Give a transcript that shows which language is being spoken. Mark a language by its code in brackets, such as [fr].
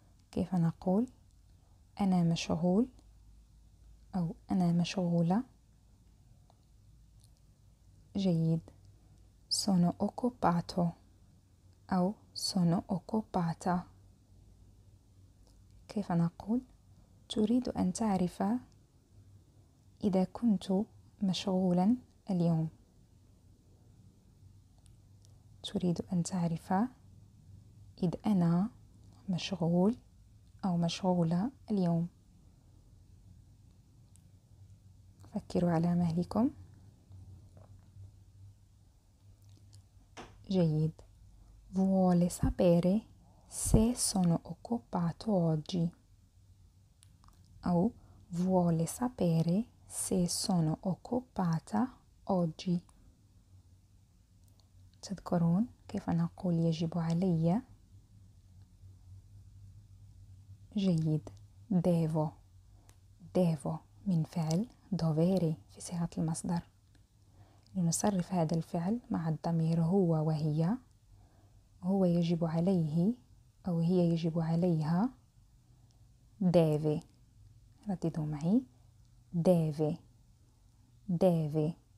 [ar] كيف نقول أنا مشغول أو أنا مشغولة؟ جيد. [it] sono occupato [ar] أو [it] sono occupata. [ar] كيف نقول تريد أن تعرف إذا كنت مشغولا اليوم؟ تريد أن تعرف إذا أنا مشغول أو مشغولة اليوم. فكروا على مهلكم. جيد. [it] vuole sapere se sono occupato oggi. [ar] أو [it] vuole sapere se sono occupata oggi. [ar] تذكرون كيف نقول يجب علي؟ جيد. devo. devo من فعل dovere في صيغة المصدر. لنصرف هذا الفعل مع الضمير هو وهي، هو يجب عليه أو هي يجب عليها. deve، رددوا معي، deve deve.